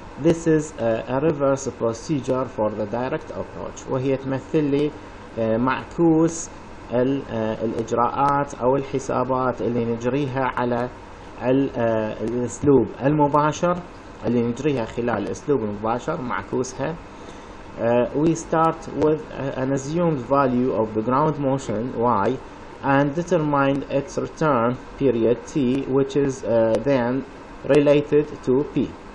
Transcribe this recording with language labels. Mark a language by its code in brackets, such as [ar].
[en] This is a reverse procedure for the direct approach. [ar] وهي تمثل لي معكوس الإجراءات أو الحسابات اللي نجريها على الأسلوب المباشر، اللي نجريها خلال الأسلوب المباشر معكوسها. [en] We start with an assumed value of the ground motion y and determine its return period t, which is then related to p.